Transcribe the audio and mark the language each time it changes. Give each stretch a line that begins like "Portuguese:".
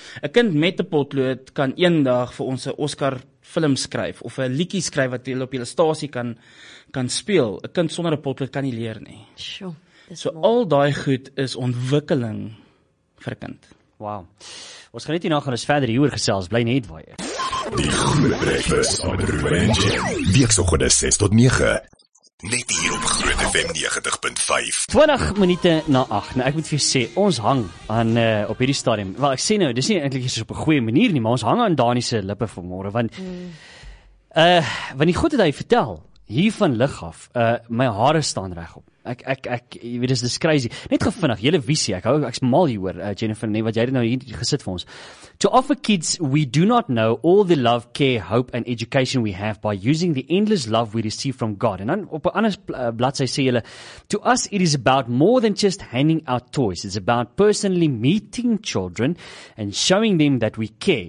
Afrikaans: 'n Kind met 'n potlood kan eendag vir ons 'n Oscar film skryf of 'n liedjie skryf wat hulle op hulle stasie kan speel. 'n Kind sonder 'n potlood kan nie leer nie. Sjoe. So al daai goed is ontwikkeling vir 'n kind. Wow. Ons gaan net hierna gaan ons verder hieroor gesels. Bly net waar jy is. Die Groot Breakfast met Ruben Jen. Weeksoggende 6 tot 9. Net hier op Groot FM 90.5. 20 minute na 8. Nou ek moet vir jou sê, ons hang aan op hierdie stadium. Wel, ek sê nou, dis nie eintlik iets op 'n goeie manier nie, maar ons hang aan Dani se lippe vanmôre want die goed het hy vertel hier van lig af. My hare staan reg op. Ek jy weet dis crazy. Net gevinnig, hele visie. Ek's mal hier hoor. Jennifer, nee, wat jy het nou hier gesit vir ons.
English: To offer kids we do not know all the love, care, hope and education we have by using the endless love we receive from God.
Afrikaans: En dan op 'n ander bladsy sê hulle,
English: to us it is about more than just handing out toys. It's about personally meeting children and showing them that we care.